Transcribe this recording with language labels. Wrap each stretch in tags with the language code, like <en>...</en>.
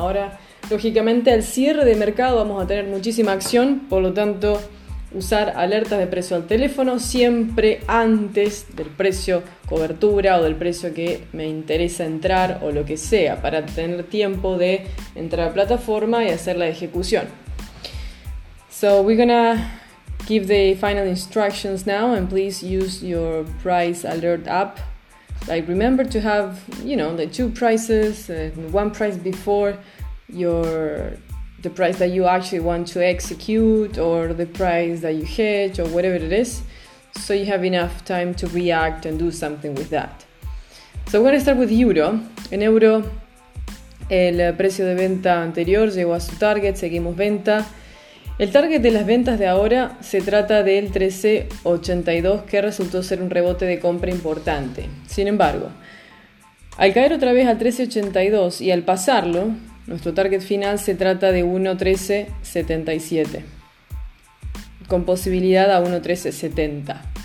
<es>Ahora, lógicamente, al cierre de mercado vamos a tener muchísima acción, por lo tanto, usar alertas de precio al teléfono siempre antes del precio cobertura o del precio que me interesa entrar o lo que sea, para tener tiempo de entrar a plataforma y hacer la ejecución.</es> <en>So we're gonna give the final instructions now, and please use your price alert app. Like, remember to have, you know, the two prices, one price before the price that you actually want to execute, or the price that you hedge, or whatever it is, so you have enough time to react and do something with that. So we're gonna start with euro.</en> <es>En euro, el precio de venta anterior llegó a su target, seguimos venta. El target de las ventas de ahora se trata del 1382, que resultó ser un rebote de compra importante. Sin embargo, al caer otra vez al 1382 y al pasarlo, nuestro target final se trata de 1.1377, con posibilidad a 1.1370.</es>